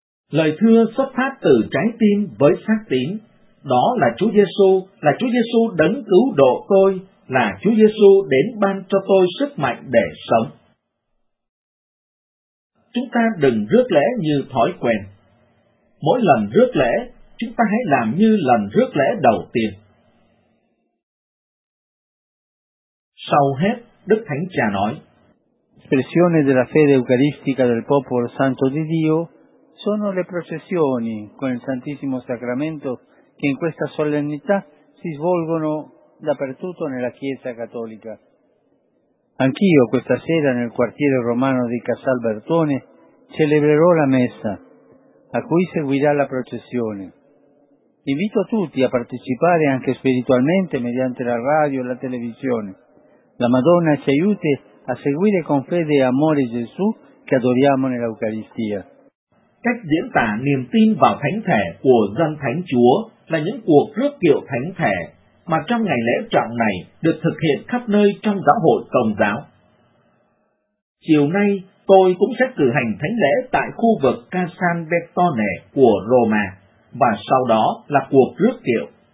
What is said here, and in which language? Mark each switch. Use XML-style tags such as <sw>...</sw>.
<vi>Lời thưa xuất phát từ trái tim với xác tín, đó là Chúa Giêsu đấng cứu độ tôi, là Chúa Giêsu đến ban cho tôi sức mạnh để sống. Chúng ta đừng rước lễ như thói quen. Mỗi lần rước lễ, chúng ta hãy làm như lần rước lễ đầu tiên. Sau hết, Đức Thánh Cha nói:</vi> <it>Espressione della fede eucaristica del popolo santo di Dio sono le processioni con il Santissimo Sacramento che in questa solennità si svolgono dappertutto nella Chiesa Cattolica. Anch'io questa sera nel quartiere romano di Casal Bertone celebrerò la messa, a cui seguirà la processione. Invito a tutti a partecipare anche spiritualmente mediante la radio e la televisione. La Madonna ci aiuti a seguire con fede e amore Gesù che adoriamo nell'Eucaristia.</it> <vi>Cách diễn tả niềm tin vào Thánh Thể của dân Thánh Chúa là những cuộc rước kiệu Thánh Thể mà trong ngày lễ trọng này được thực hiện khắp nơi trong giáo hội Công giáo. Chiều nay, tôi cũng sẽ cử hành thánh lễ tại khu vực Casan Bettone của Roma, và sau đó là cuộc rước kiệu.</vi>